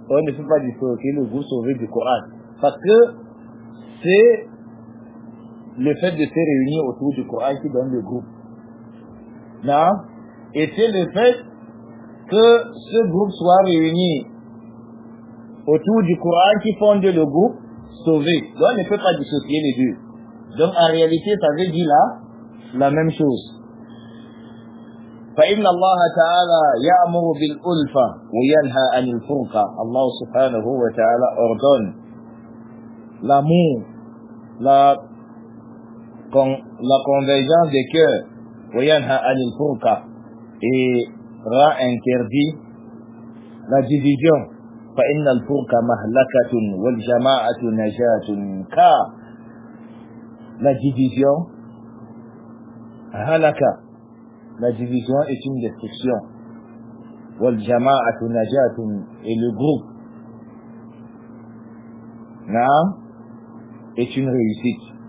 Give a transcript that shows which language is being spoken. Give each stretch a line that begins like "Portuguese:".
French: On ne peut pas dissocier le groupe sauvé du Coran. Parce que c'est le fait de se réunir autour du Coran qui donne le groupe. Non? Et c'est le fait que ce groupe soit réuni autour du Coran qui fonde le groupe sauvé. Donc on ne peut pas dissocier les deux. Donc en réalité, ça veut dire là, la même chose.
Arabic: فإن الله تعالى يأمر بالألفة وينهى عن الفرقة.
French: Allah subhanahu wa ta'ala ordonne l'amour, la convergence des cœurs,
Arabic: وينهى عن الفرقة,
French: et ra interdit la division.
Arabic: فإن الفرقة مهلكة والجماعة نجاة.
French: Car la division, halaka, la division est une destruction.
Arabic: Wal jama'atu najatun,
French: et le groupe, na'am, est une réussite.